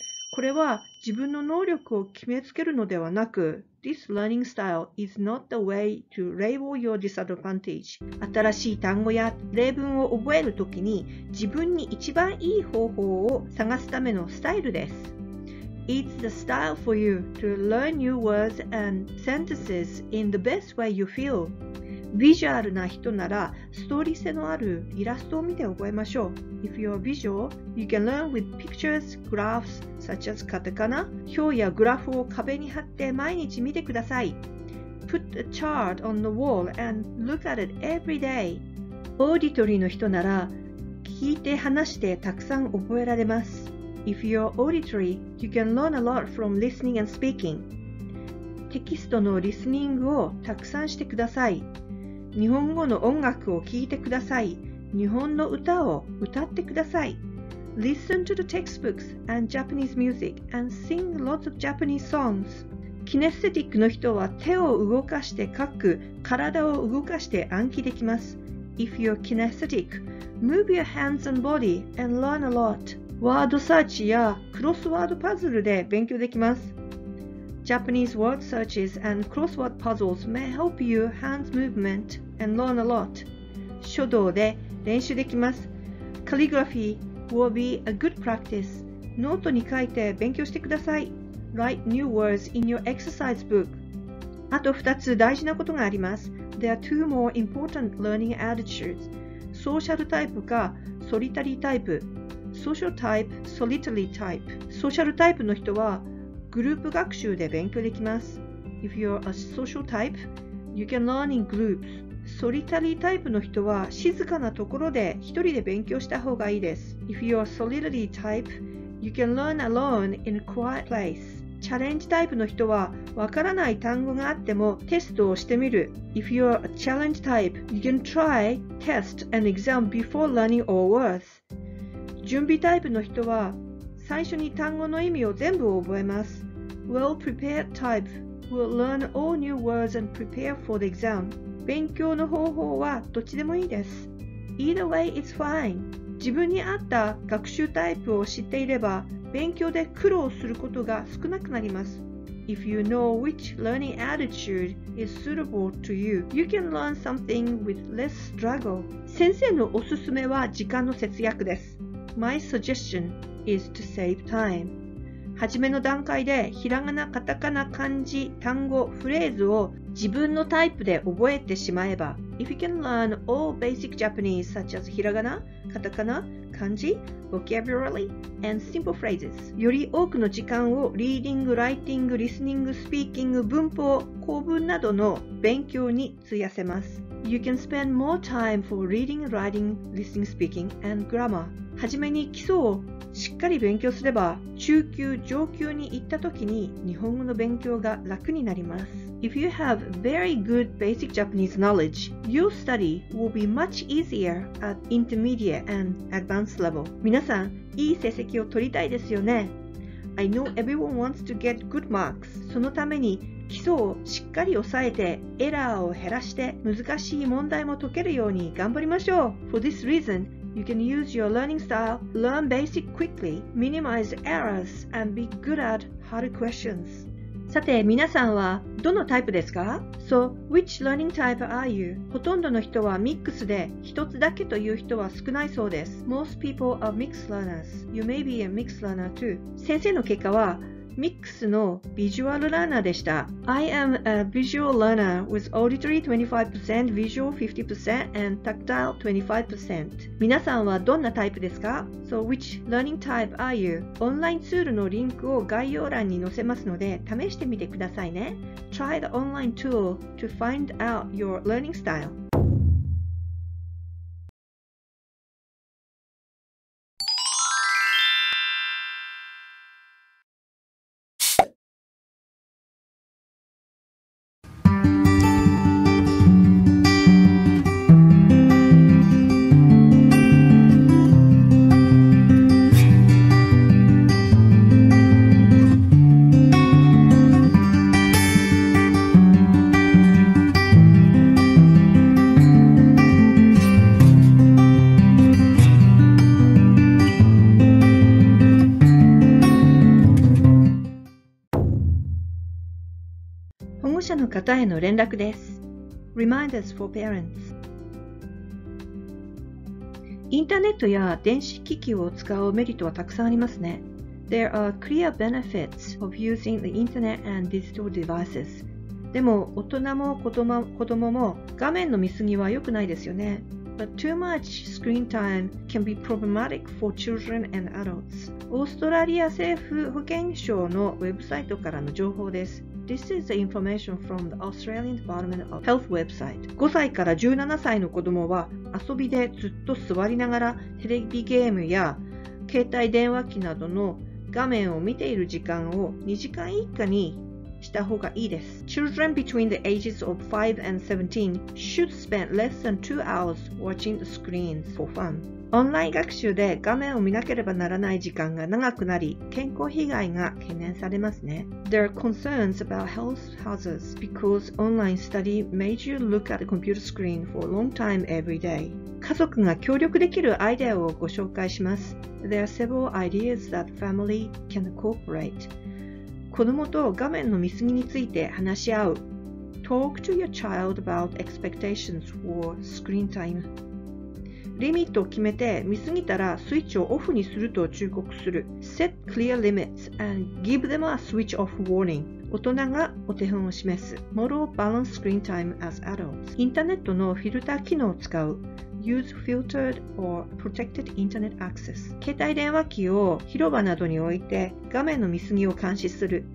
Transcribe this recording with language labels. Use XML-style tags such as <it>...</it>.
<ja>これは自分の能力を決めつけるのではなく、</ja> <en>This learning style is not the way to label your disadvantage.</en> <ja>新しい単語や例文を覚えるときに、自分に一番いい方法を探すためのスタイルです。</ja> <en>It's the style for you to learn new words and sentences in the best way you feel.</en> <ja>ビジュアルな人なら、ストーリー性のあるイラストを見て覚えましょう。</ja> <en>If you're visual, you can learn with pictures, graphs, such as katakana.</en> <ja>表やグラフを壁に貼って毎日見てください。</ja> <en>Put a chart on the wall and look at it every day.</en> <ja>オーディトリーの人なら、聞いて話してたくさん覚えられます。</ja> <en>If you're auditory, you can learn a lot from listening and speaking.</en> <ja>テキストのリスニングをたくさんしてください。日本語の音楽を聴いてください。日本の歌を歌ってください。</ja> <en>Listen to the textbooks and Japanese music and sing lots of Japanese songs.</en> <ja>キネスティックの人は手を動かして書く、体を動かして暗記できます。</ja> <en>If you're kinesthetic, move your hands and body and learn a lot.</en> <ja>ワードサーチやクロスワードパズルで勉強できます。</ja> <en>Japanese word searches and crossword puzzles may help you hands movement and learn a lot.</en> <ja>書道で練習できます。</ja> <en>Calligraphy will be a good practice.</en> <ja>ノートに書いて勉強してください。</ja> <en>Write new words in your exercise book.</en> <ja>あと2つ大事なことがあります。</ja> <en>There are two more important learning attitudes.</en> <ja>ソーシャルタイプかソリタリータイプ。</ja> <en>Social type, solitary type.</en> <ja>ソーシャルタイプの人はグループ学習で勉強できます。</ja> <en>If you're a social type, you can learn in groups.</en> <ja>ソリタリータイプの人は静かなところで一人で勉強した方がいいです。</ja> <en>If you're a solitary type, you can learn alone in a quiet place.</en> <ja>チャレンジタイプの人は、わからない単語があってもテストをしてみる。</ja> <en>If you're a challenge type, you can try test and exam before learning all words.</en> <ja>準備タイプの人は、最初に単語の意味を全部覚えます。</ja> <en>Well-prepared type will learn all new words and prepare for the exam.</en> <ja>勉強の方法はどっちでもいいです。</ja> <en>Either way, it's fine.</en> <ja>自分に合った学習タイプを知っていれば、勉強で苦労することが少なくなります。</ja> <en>If you know which learning attitude is suitable to you, you can learn something with less struggle.</en> <ja>先生のおすすめは時間の節約です。</ja> <en>My suggestion is to save time.</en> <ja>はじめの段階でひらがな、カタカナ、漢字、単語、フレーズを自分のタイプで覚えてしまえば、</ja> <en>If you can learn all basic Japanese such as ひらがな、カタカナ、漢字、vocabulary, and simple phrases.</en> <ja>より多くの時間をリーディング、ライティング、リスニング、スピーキング、文法、構文などの勉強に費やせます。</ja> <en>You can spend more time for reading, writing, listening, speaking, and grammar.</en> <ja>はじめに基礎をしっかり勉強すれば、中級、上級に行った時に日本語の勉強が楽になります。</ja> <en>If you have very good basic Japanese knowledge, your study will be much easier at intermediate and advanced level.</en> <ja>皆さん、いい成績を取りたいですよね。</ja> <en>I know everyone wants to get good marks.</en> <ja>そのために基礎をしっかり抑えて、エラーを減らして、難しい問題も解けるように頑張りましょう。</ja> <en>For this reason,You can use your learning style, learn basic quickly, minimize errors, and be good at hard questions.</en> <ja>さて、皆さんはどのタイプですか?</ja> <en>So, which learning type are you?</en> <ja>ほとんどの人はミックスで、一つだけという人は少ないそうです。</ja> <en>Most people are mixed learners. You may be a mixed learner too.</en> <ja>先生の結果は、ミックスのビジュアルラーナーでした。</ja> <en>I am a visual learner with auditory 25%, visual 50% and tactile 25%.</en> <ja>皆さんはどんなタイプですか?</ja> <en>So which learning type are you?</en> <ja>オンラインツールのリンクを概要欄に載せますので試してみてくださいね。</ja> <en>Try the online tool to find out your learning style.</en> <ja>方への連絡です。</ja> <en>Reminders for parents.</en> <ja>インターネットや電子機器を使うメリットはたくさんありますね。</ja> <en>There are clear benefits of using the internet and digital devices.</en> <ja>でも大人も子供も画面の見すぎは良くないですよね。</ja> <en>But too much screen time can be problematic for children and adults.</en> <ja>オーストラリア政府保健省のウェブサイトからの情報です。</ja> <en>This is the information from the Australian Department of Health website.</en> <ja>5歳から17歳の子供は遊びでずっと座りながらテレビゲームや携帯電話機などの画面を見ている時間を2時間以下にした方がいいです。</ja> <en>Children between the ages of 5 and 17 should spend less than 2 hours watching the screens for fun.</en> <ja>オンライン学習で画面を見なければならない時間が長くなり、健康被害が懸念されますね。</ja> <en>There are concerns about health hazards because online study made you look at a computer screen for a long time every day.</en> <ja>家族が協力できるアイデアをご紹介します。</ja> <en>There are several ideas that family can cooperate.</en> <ja>子供と画面の見過ぎについて話し合う。</ja> <en>Talk to your child about expectations for screen time.</en> <ja>リミットを決めて見すぎたらスイッチをオフにすると忠告する。</ja> <en>Set clear limits and give them a switch off warning.</en> <ja>大人がお手本を示す。</ja> <en>Model balanced screen time as adults.</en> <ja>インターネットのフィルター機能を使う。</ja> <en>Use filtered or protected internet access.</en> <ja>携帯電話機を広場などに置いて画面の見すぎを監視する。</ja>